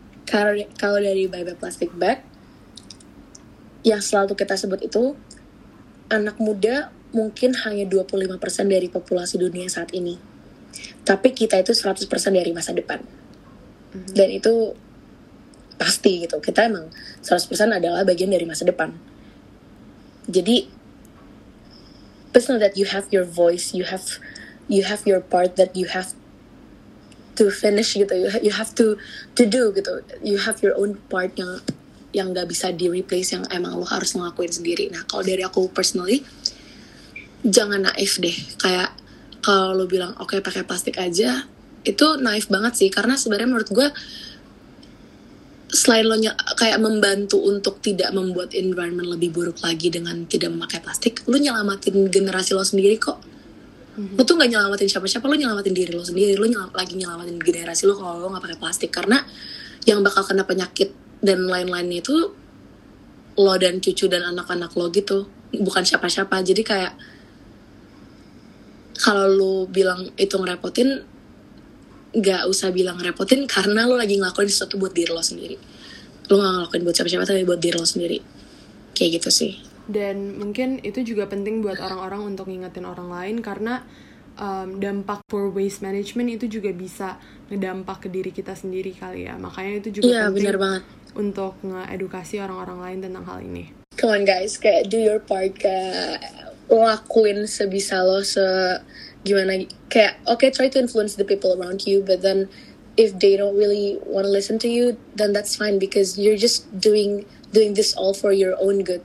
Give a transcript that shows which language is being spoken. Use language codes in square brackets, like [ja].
[id] Kalau dari Bayi Plastik Bag yang selalu kita sebut itu, anak muda mungkin hanya 25% dari populasi dunia saat ini, tapi kita itu 100% dari masa depan. Dan itu pasti gitu, kita emang 100% adalah bagian dari masa depan. [en] Jadi just know that you have your voice, you have your part that you have to finish gitu, you have to do gitu, you have your own part [id] yang gak bisa di replace, yang emang lo harus ngelakuin sendiri. Nah, kalau dari aku personally, jangan naif deh. Kayak kalau lo bilang okay, pakai plastik aja, itu naif banget sih. Karena sebenarnya menurut gue, selain lo kayak membantu untuk tidak membuat environment lebih buruk lagi dengan tidak memakai plastik, lo nyelamatin generasi lo sendiri kok. Lo tuh gak nyelamatin siapa-siapa, lo nyelamatin diri lo sendiri. Lo lagi nyelamatin generasi lo kalau lo gak pakai plastik. Karena yang bakal kena penyakit dan lain-lainnya itu lo dan cucu dan anak-anak lo gitu, bukan siapa-siapa. Jadi kayak kalau lo bilang itu ngerepotin, gak usah bilang ngerepotin, karena lo lagi ngelakuin sesuatu buat diri lo sendiri. Lo gak ngelakuin buat siapa-siapa, tapi buat diri lo sendiri. Kayak gitu sih. Dan mungkin itu juga penting buat orang-orang untuk ngingetin orang lain, karena dampak [en] poor waste management [id] itu juga bisa ngedampak ke diri kita sendiri kali ya. Makanya itu juga penting. Iya, benar banget. Untuk ngedukasi orang-orang lain tentang hal ini. [en] Come on guys, kayak do your part, [id] kayak lakuin sebisa lo, gimana, kayak [en] okay, try to influence the people around you, but then if they don't really want to listen to you, then that's fine, because you're just doing this all for your own good.